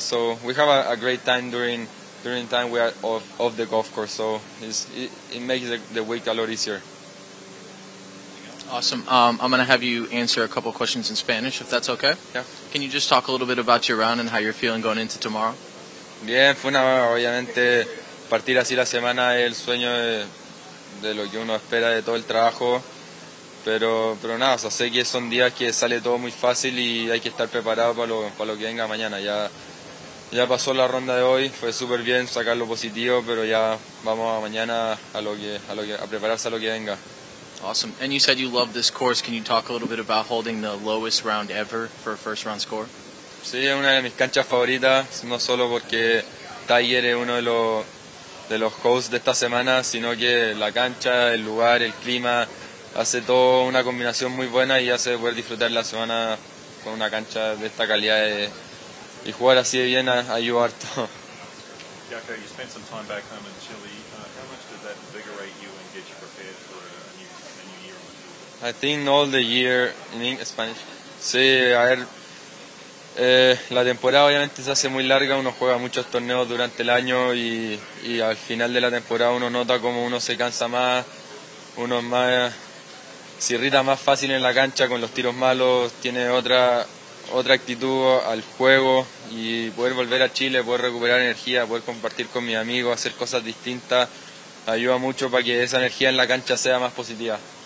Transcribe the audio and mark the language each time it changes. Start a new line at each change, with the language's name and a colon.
English: So we have a great time during the time we are off the golf course. So it makes the week a lot easier. Awesome. I'm going to have you answer a couple questions in Spanish, if that's okay. Yeah. Can you just talk a little bit about your round and how you're feeling going into tomorrow?
Spanish: Bien, fue una, obviamente, partir así la semana es el sueño de lo que uno espera de todo el trabajo. Pero nada, o sea, sé que son días que sale todo muy fácil y hay que estar preparado para lo que venga mañana. Ya pasó la ronda de hoy, fue súper bien sacar lo positivo, pero ya vamos a mañana a prepararse a lo que venga.
English: Awesome. And you said you love this course. Can you talk a little bit about holding the lowest round ever for a first round score?
Spanish: Sí, es una de mis canchas favoritas, no solo porque Tiger es uno de los hosts de esta semana, sino que la cancha, el lugar, el clima, hace todo una combinación muy buena y hace poder disfrutar la semana con una cancha de esta calidad y jugar así de bien ayuda harto.
English: Jaco, you spent some time back home in Chile. How much did that invigorate you and get you prepared for I think all the year in Spanish.
Spanish: Sí, a ver, la temporada obviamente se hace muy larga, uno juega muchos torneos durante el año y al final de la temporada uno nota como uno se cansa más, uno se irrita más fácil en la cancha con los tiros malos, tiene otra actitud al juego y poder volver a Chile, poder recuperar energía, poder compartir con mis amigos, hacer cosas distintas, ayuda mucho para que esa energía en la cancha sea más positiva.